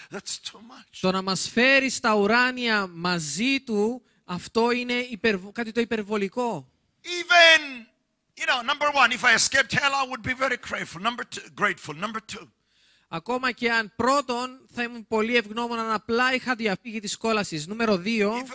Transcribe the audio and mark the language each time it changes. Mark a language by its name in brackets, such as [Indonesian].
[English] That's too much. [Greek] Το να μας φέρει στα ουράνια μαζί του, αυτό είναι κάτι το υπερβολικό. [English] Even, you know, number one, if I escaped hell, I would be very grateful. Number two, grateful. Number two. [Greek] Ακόμα και αν πρώτον θα ήμουν πολύ ευγνώμων αν απλά είχα διαφύγει της κόλασης. Νούμερο 2.